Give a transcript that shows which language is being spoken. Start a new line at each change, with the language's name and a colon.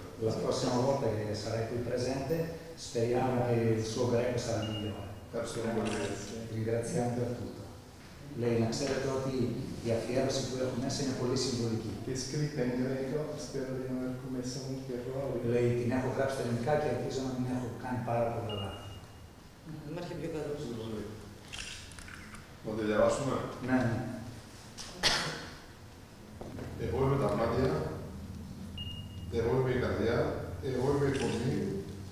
Italian: La prossima volta che sarai qui presente, speriamo che il suo greco sarà migliore. Ringraziando per tutto. Lei,
Greek: να ξέρετε ότι η αφιέρωση που έχω μέσα είναι πολύ συμβολική. Και σκρίτα
Italian: in greco, spero di non aver commesso molti errori.
Greek: Λέει, την έχω γράψει ελληνικά και ελπίζω να μην έχω κάνει πάρα πολλά λάθη. Δημάρχε, πιο καλό. Θα τη διαβάσουμε. Ναι, ναι. Εγώ είμαι τα μάτια, εγώ είμαι η καρδιά, εγώ είμαι η φωνή.